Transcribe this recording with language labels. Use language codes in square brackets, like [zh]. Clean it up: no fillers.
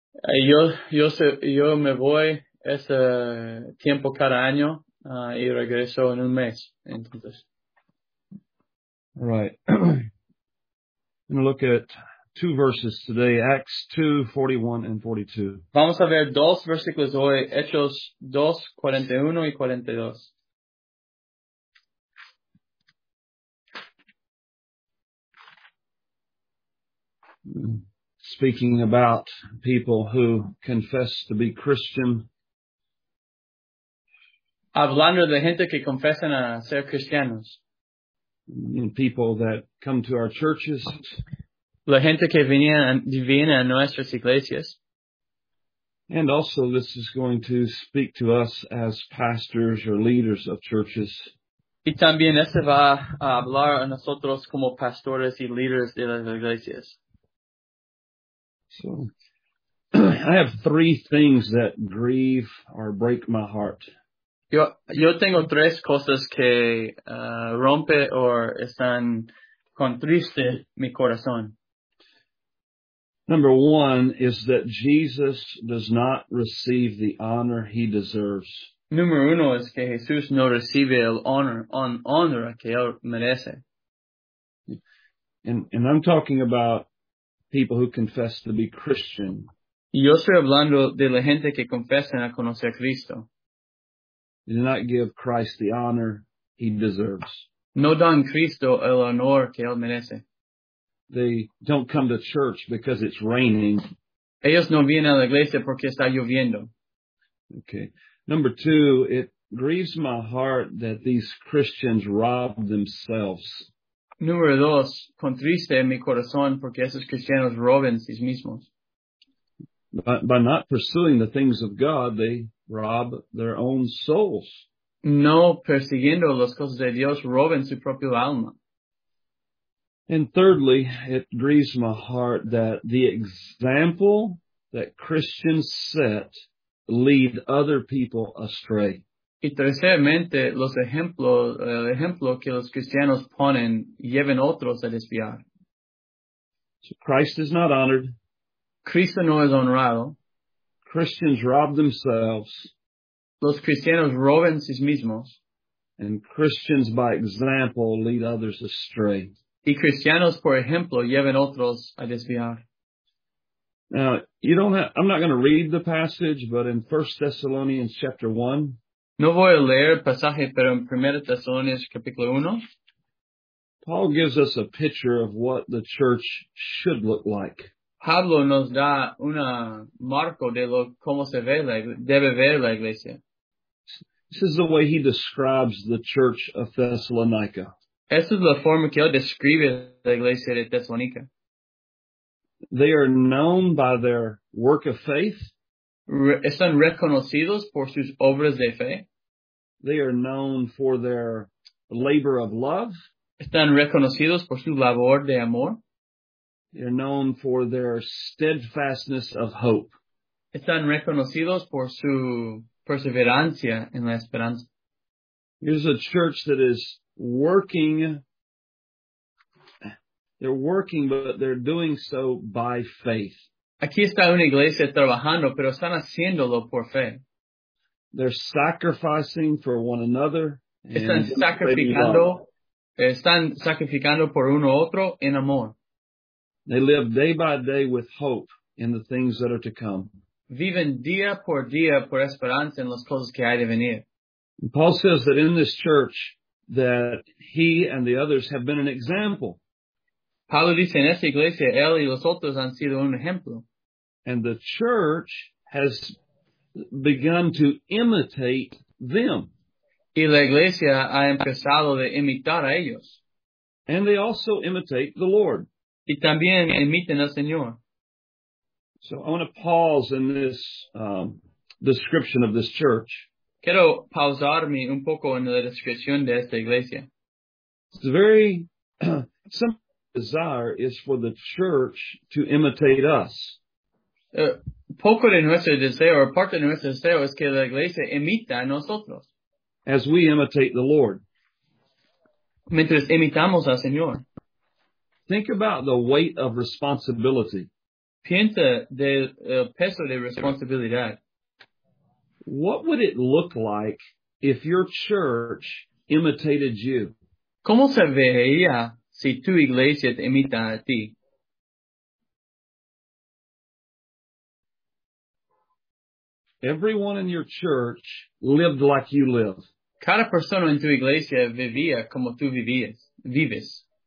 [es] Yo me voy ese tiempo cada año y regreso en un mes, entonces. [en] All right. I'm going to look at two verses today, Acts 2:41 and 42. [es] Vamos a ver dos versículos hoy, Hechos 2:41 y 42. [en] Speaking about people who confess to be Christian. [es] Hablando de gente que confesan a ser cristianos. [en] People that come to our churches. [es] La gente que viene a nuestras iglesias. [en] And also this is going to speak to us as pastors or leaders of churches. [es] Y también este va a hablar a nosotros como pastores y líderes de las iglesias. [en] So, I have three things that grieve or break my heart. [es] Yo tengo tres cosas que rompe o están con triste mi corazón. [en] Number one is that Jesus does not receive the honor he deserves. [es] Número uno es que Jesús no recibe el honor que él merece. [en] And I'm talking about people who confess to be Christian. [es] Yo estoy hablando de la gente que confesan a conocer a Cristo. [en] They do not give Christ the honor he deserves. [es] No dan Cristo el honor que él merece. [en] They don't come to church because it's raining. [es] Ellos no vienen a la iglesia porque está lloviendo. [en] Okay. Number two, it grieves my heart that these Christians rob themselves. [es] Número dos, contriste mi corazón porque esos cristianos roben sí mismos. [en] By not pursuing the things of God, they rob their own souls. [es] No persiguiendo las cosas de Dios, roben su propio alma. [en] And thirdly, it grieves my heart that the example that Christians set lead other people astray. [es] Y tercermente, el ejemplo que los cristianos ponen lleven otros a desviar. [en] So Christ is not honored. [es] Cristo no es honrado. [en] Christians rob themselves. [es] Los cristianos roben sí mismos. [en] And Christians by example lead others astray. [es] Y cristianos por ejemplo lleven otros a desviar. [en] Now, I'm not going to read the passage, but in 1 Thessalonians chapter 1, [es] no voy a leer el pasaje, pero en 1 Tesalonicenses capítulo 1. [en] Paul gives us a picture of what the church should look like. [es] Pablo nos da una marco de cómo se ve debe ver la iglesia. [en] This is the way he describes the church of Thessalonica. [es] Esa es la forma que él describe la iglesia de Tesalónica. [en] They are known by their work of faith. [es] Están reconocidos por sus obras de fe. [en] They are known for their labor of love. [es] Están reconocidos por su labor de amor. [en] They are known for their steadfastness of hope. [es] Están reconocidos por su perseverancia en la esperanza. [en] Here's a church that is working. They're working, but they're doing so by faith. [es] aquí está una iglesia trabajando, pero están haciéndolo por fe. [en] They're sacrificing for one another. [es] Están sacrificando por uno otro en amor. [en] They live day by day with hope in the things that are to come. [es] Viven día por esperanza en las cosas que hay de venir. [en] Paul says that in this church that he and the others have been an example. [es] Pablo dice en esta iglesia, él y los otros han sido un ejemplo. [en] And the church has begun to imitate them. [es] Y la iglesia ha empezado a imitar a ellos. [en] And they also imitate the Lord. [es] Y también imitan al Señor. [en] So I want to pause in this description of this church. [es] Quiero pausarme un poco en la descripción de esta iglesia. [en] It's very, some desire is for the church to imitate us. [es] Poco de nuestro deseo, or parte de nuestro deseo, es que la iglesia imita a nosotros. [en] As we imitate the Lord. [es] Mientras imitamos al Señor. [en] Think about the weight of responsibility. [es] Piensa del peso de responsabilidad. [en] What would it look like if your church imitated you? [es] ¿Cómo se vería si tu iglesia te imita a ti? [en] Everyone in your church lived like you live. [es] Cada persona en tu iglesia vivía como tú vives.